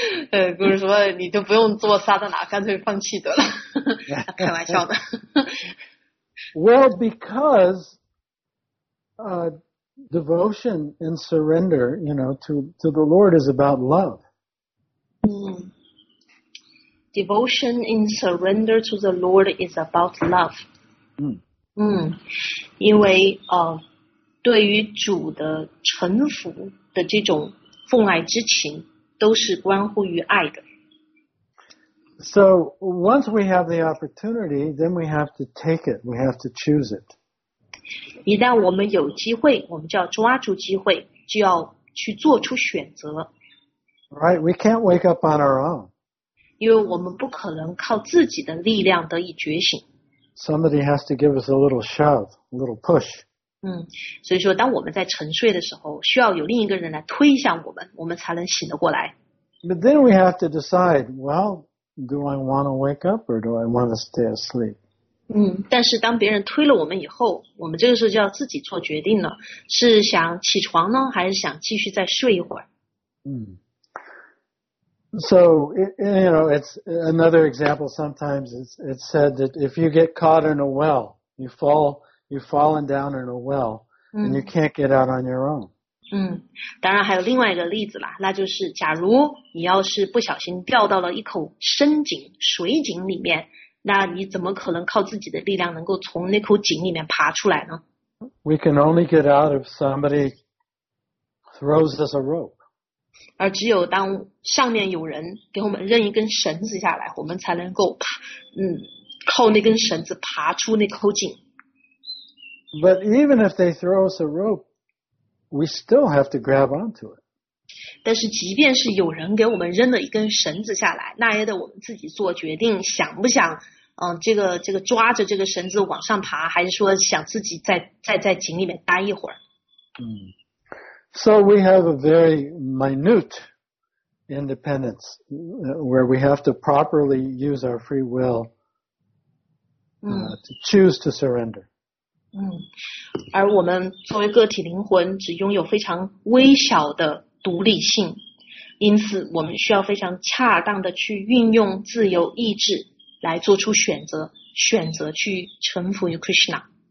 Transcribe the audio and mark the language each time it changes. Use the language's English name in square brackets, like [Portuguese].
[Chinese] 比如说你就不用做萨德纳，干脆放弃得了。开玩笑的。 [English] Well, because devotion and surrender, you know, to the Lord is about love. Devotion and surrender to the Lord is about love. [Chinese] 因为对于主的臣服的这种奉爱之情都是关乎于爱的。 [English] So once we have the opportunity, then we have to take it. We have to choose it. [Chinese] 一旦我们有机会，我们就要抓住机会，就要去做出选择。 [English] Right, we can't wake up on our own. [Chinese] 因为我们不可能靠自己的力量得以觉醒。 [English] Somebody has to give us a little shove, a little push. [Chinese] 所以说当我们在沉睡的时候，需要有另一个人来推向我们，我们才能醒得过来。 [English] But then we have to decide, well,Do I want to wake up or do I want to stay asleep? [Chinese] 但是当别人推了我们以后，我们这个时候就要自己做决定了，是想起床呢，还是想继续再睡一会儿？ [English] So you know, it's another example. Sometimes it's said that if you get caught in a well, you've fallen down in a well, and you can't get out on your own. [Chinese] 当然还有另外一个例子啦，那就是假如你要是不小心掉到了一口深井水井里面，那你怎么可能靠自己的力量能够从那口井里面爬出来呢？ [English] We can only get out if somebody throws us a rope. [Chinese] 而只有当上面有人给我们扔一根绳子下来，我们才能够靠那根绳子爬出那口井。 [English] But even if they throw us a ropeWe still have to grab onto it. [Chinese] 但是即便是有人给我们扔了一根绳子下来，那也得我们自己做决定，想不想这个抓着这个绳子往上爬，还是说想自己在井里面待一会儿。 [English] So we have a very minute independence where we have to properly use our free will to choose to surrender. [Chinese] 而我们作为个体灵魂只拥有非常微小的独立性，因此我们需要非常恰当的去运用自由意志来做出选择，选择去臣服于 Krishna。